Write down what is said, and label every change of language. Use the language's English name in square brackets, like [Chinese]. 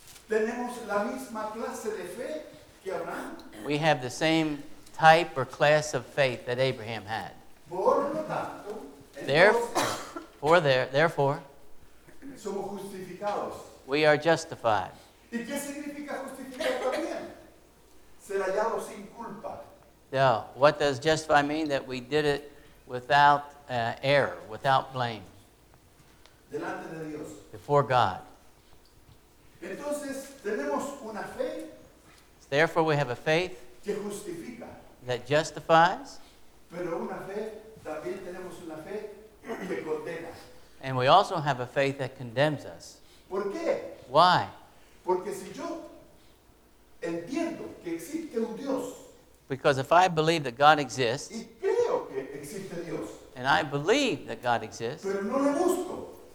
[Spanish] tenemos la misma clase de fe que Abraham. [English] We have the same type or class of faith that Abraham had. [Spanish] Por lo tanto, [English] therefore, [Spanish] somos justificados. [English] We are justified. [Spanish] ¿Y qué significa justificar también? Ser hallado sin culpa. [English] No, what does justify mean? That we did it without error, without blame. [Spanish] Delante de Dios. [English] Before God. [Spanish] Entonces, tenemos una fe. [English] Therefore, we have a faith [Spanish] que justifica. [English] That justifies. [Spanish] Pero una fe, también tenemos una fe que condena. [English] And we also have a faith that condemns us. [Spanish] ¿Por qué? [English] Why? [Spanish] Porque si yo entiendo que existe un Dios, [English] because if I believe that God exists, [Spanish] y creo que existe Dios, [English] and I believe that God exists, [Spanish] pero no lo busco,